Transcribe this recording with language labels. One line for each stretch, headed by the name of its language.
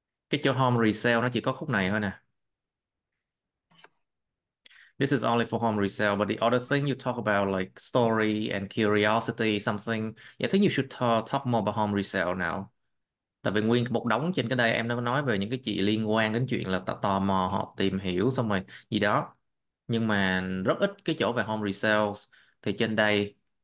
Vietnamese: Cái chỗ home resale nó chỉ có khúc này thôi nè.
English: This is only for home resale, but the other thing you talk about, like story and curiosity, something, yeah, I think you should talk more about home resale now.
Vietnamese: Tại vì nguyên một đống trên cái đây em đã nói về những cái chị liên quan đến chuyện là tò mò họ tìm hiểu xong rồi gì đó. Nhưng mà rất ít cái chỗ về home resales thì trên đây.